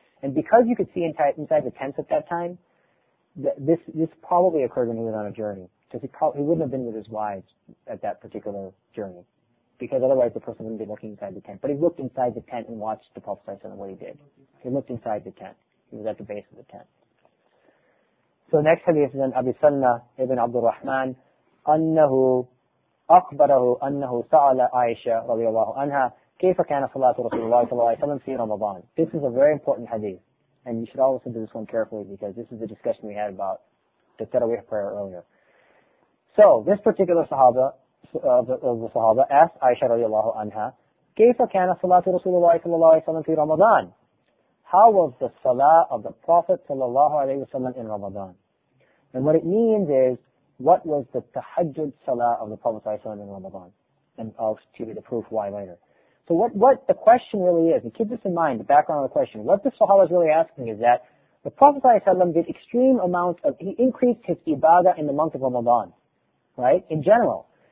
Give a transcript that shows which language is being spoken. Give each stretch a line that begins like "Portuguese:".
English: And because you could see inside the tents at that time, this probably occurred when he was on a journey, because he wouldn't have been with his wives at that particular journey. Because otherwise the person wouldn't be looking inside the tent. But he looked inside the tent and watched the Prophet and what he did. He looked inside the tent. He was at the base of the tent. So next hadith is in Abi Salma ibn Abdul Rahman,
Arabic: أَنَّهُ أَخْبَرَهُ أَنَّهُ سَعَلَ عَيْشَ رَضِيَ اللَّهُ عَنْهَا كَيْفَ كَانَ صَلَاتُ رَسُولُ اللَّهِ صَلَى اللَّهِ وَسَلَّمْ فِي رَمَضَانِ.
English: This is a very important hadith. And you should all listen to this one carefully, because this is the discussion we had about the Taraweeh prayer earlier. So this particular Sahaba, the Sahaba, asked Aisha radiallahu anha,
Arabic: كيف كان صلاة رسول الله صلى الله عليه وسلم في رمضان?
English: How was the Salah of the Prophet صلى الله عليه وسلم in Ramadan? And what it means is, what was the Tahajjud Salah of the Prophet صلى الله عليه وسلم in Ramadan? And I'll give you the proof why later. So what the question really is, and keep this in mind, the background of the question, what the Sahaba is really asking is that the Prophet صلى الله عليه وسلم did extreme amounts of, he increased his ibadah in the month of Ramadan, right, in general.